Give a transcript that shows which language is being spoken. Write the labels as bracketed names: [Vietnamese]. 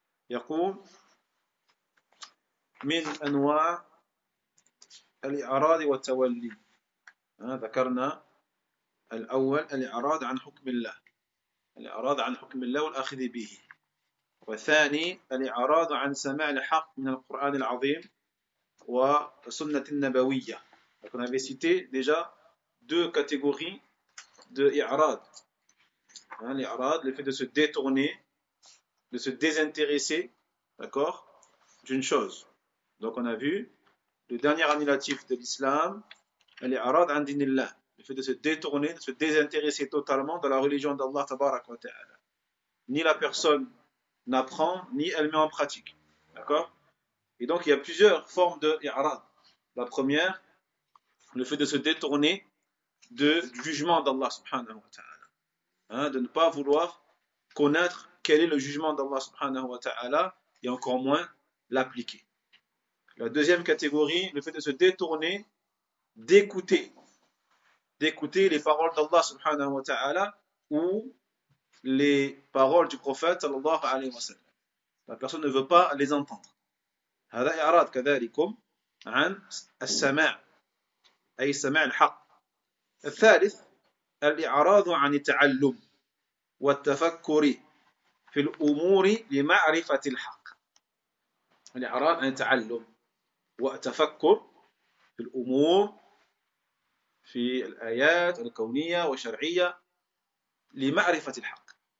[Arabic] يقول: من أنواع الإعراض والتولي، ذكرنا الأول الإعراض عن حكم الله، الإعراض عن حكم الله والأخذ به، والثاني الإعراض عن سماع الحق من القرآن العظيم والسنة النبوية. [French] Donc on avait cité déjà deux catégories de i'rad. Hein, l'i'rad, le fait de se détourner, de se désintéresser, d'accord, d'une chose. Donc on a vu le dernier annulatif de l'islam, l'i'rad an dinillah, le fait de se détourner, de se désintéresser totalement de la religion d'Allah tabarak wa ta'ala. Ni la personne n'apprend, ni elle met en pratique. D'accord. Et donc il y a plusieurs formes de i'rad. La première, le fait de se détourner du jugement d'Allah subhanahu wa ta'ala. Hein, de ne pas vouloir connaître quel est le jugement d'Allah subhanahu wa ta'ala et encore moins l'appliquer. La deuxième catégorie, le fait de se détourner, d'écouter les paroles d'Allah subhanahu wa ta'ala ou les paroles du prophète sallallahu alayhi wa sallam. La personne ne veut pas les entendre. [Arabic] هذا إعراض كذلكم عن السماع. أي سماع الحق. الثالث الإعراض عن التعلم والتفكر في الأمور لمعرفة الحق. الإعراض عن التعلم والتفكر في الأمور، في الآيات الكونية والشرعية، لمعرفة الحق.